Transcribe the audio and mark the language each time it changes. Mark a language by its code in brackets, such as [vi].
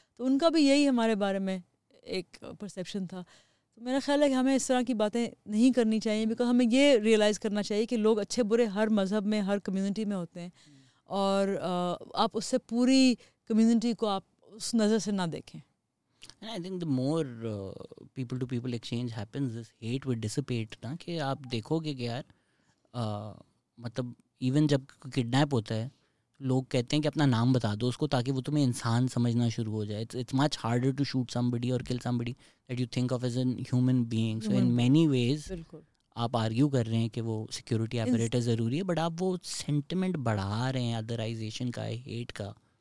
[hi] तो उनका भी यही हमारे बारे में एक परसेप्शन था. तो मेरा ख्याल है कि हमें इस तरह की बातें नहीं करनी चाहिए, बिकॉज हमें ये रियलाइज़ करना चाहिए कि लोग अच्छे बुरे हर मज़हब में हर कम्युनिटी में होते हैं, और आप उससे पूरी कम्युनिटी को आप उस नज़र से ना देखें. [en] And I think the more people to people exchange happens, this hate will dissipate. [hi] ना कि आप देखोगे कि यार मतलब इवन जब किडनैप होता है लोग कहते हैं कि अपना नाम बता दो उसको ताकि वो तुम्हें इंसान समझना शुरू हो जाए. [en] It's much harder to shoot somebody or kill somebody that you think of as an human being. So in many ways [hi] आप आर्ग्यू कर रहे हैं कि वो सिक्योरिटी अपरेटर ज़रूरी है, बट आप वो सेंटिमेंट बढ़ा रहे हैं अदराइजेशन का, हेट का.